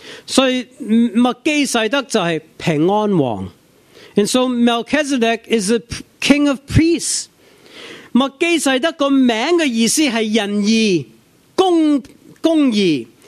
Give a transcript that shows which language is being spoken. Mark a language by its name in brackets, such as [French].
[Cantonese] 所以麦基洗德就是平安王. [English] And so Melchizedek is the king of peace. [Cantonese] 麦基洗德的名字的意思是仁义，公义.